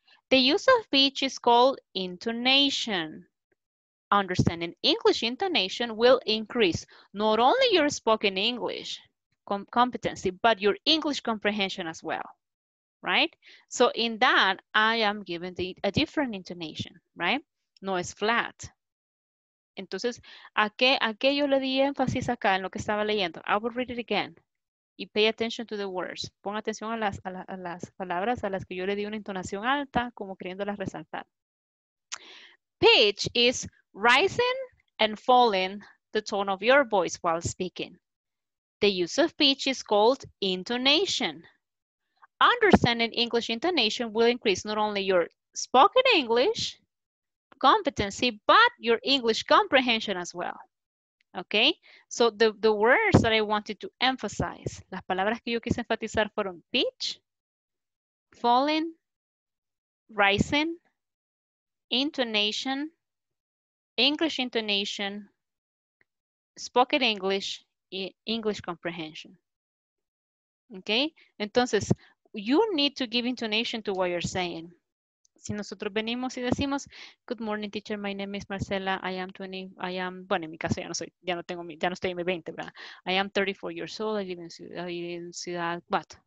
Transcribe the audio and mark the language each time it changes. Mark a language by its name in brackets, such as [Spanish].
[English] The use of pitch is called intonation. Understanding English intonation will increase not only your spoken English competency, but your English comprehension as well, right? So in that, I am giving a different intonation, right? [Spanish] No es flat. Entonces, ¿a qué yo le di énfasis acá en lo que estaba leyendo? [English] I will read it again. [Spanish] Y [English] pay attention to the words. [Spanish] Pon atención a las palabras a las que yo le di una entonación alta, como queriéndolas resaltar. [English] Pitch is rising and falling the tone of your voice while speaking. The use of pitch is called intonation. Understanding English intonation will increase not only your spoken English competency, but your English comprehension as well. Okay, so the words that I wanted to emphasize, [Spanish] las palabras que yo quise enfatizar fueron [English] pitch, falling, rising, intonation, English intonation, spoken English, y English comprehension. Okay, entonces, you need to give intonation to what you're saying. [Spanish] Si nosotros venimos y decimos, [English] good morning teacher, my name is Marcela, I am 20, I am, [Spanish] bueno, en mi caso ya no estoy en mi 20, ¿verdad? [English] I am 34 years old, I live in ciudad, what?